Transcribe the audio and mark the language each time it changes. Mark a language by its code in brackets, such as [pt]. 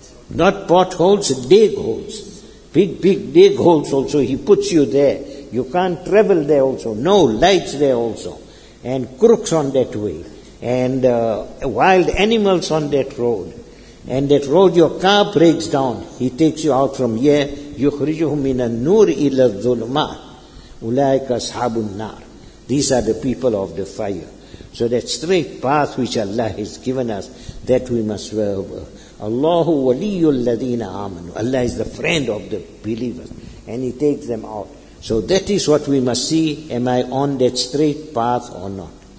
[en] Not potholes, dig holes. Big, big dig holes also, he puts you there. You can't travel there also. No lights there also. And crooks on that way. And wild animals on that road. And that road, your car breaks down. He takes you out from here. [ar] يُخْرِجُهُ مِنَ النُّورِ إِلَى الظُّلُمَاتِ أُولَٰئِكَ أَصْحَابُ النَّارِ. [en] These are the people of the fire. So that straight path which Allah has given us, that we must follow. [ar] اللَّهُ وَلِيُّ الَّذِينَ آمَنُوا. [en] Allah is the friend of the believers. And He takes them out. So that is what we must see. Am I on that straight path or not?